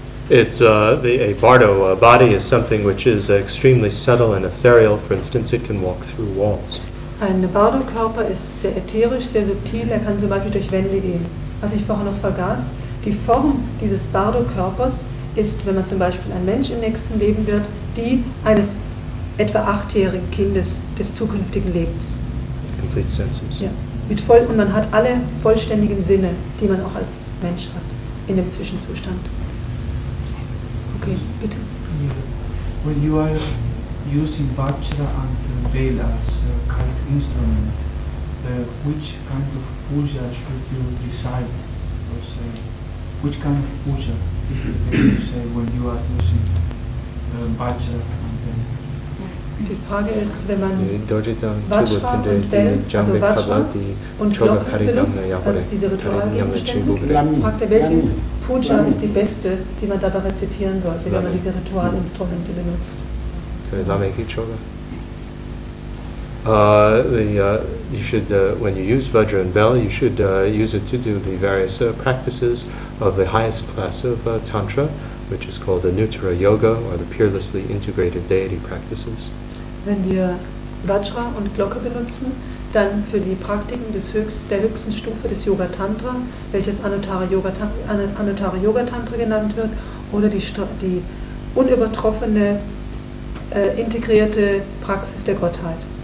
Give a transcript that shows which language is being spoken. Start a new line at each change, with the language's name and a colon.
English: It's a bardo body is something which is extremely subtle and ethereal. For instance, it can walk through walls.
German: Ein Bardo-Körper ist sehr ätherisch, sehr subtil, er kann zum Beispiel durch Wände gehen. Was ich vorher noch vergaß, die Form dieses Bardo-Körpers ist, wenn man zum Beispiel ein Mensch im nächsten Leben wird, die eines etwa achtjährigen Kindes des zukünftigen Lebens.
English: Complete senses.
German: Ja. Mit voll, und man hat alle vollständigen Sinne, die man auch als Mensch hat, in dem Zwischenzustand. Okay, bitte.
English: Yeah. When you are using Vajra and Vela as a kind of instrument, which kind of puja should you decide? Or say, which kind of puja is it that you say when you are using Vajra and Vela?
German: Die Frage ist, wenn man Vajra und Vela, also Vajra und Glocken benutzt, also diese Ritualgegenstände, fragt er, welche Puja ist die beste, die man dabei rezitieren sollte, wenn man diese Ritualinstrumente benutzt. So, Lameki Choga.
English: When you use Vajra and Bell, you should use it to do the various practices of the highest class of Tantra, which is called Anuttara Yoga, or the Peerlessly Integrated Deity Practices.
German: Wenn wir Vajra und Glocke benutzen, dann für die Praktiken des höchsten Stufe des Yoga Tantra, welches Anuttara Yoga Tantra genannt wird, oder die unübertroffene integrierte Praxis der Gottheit.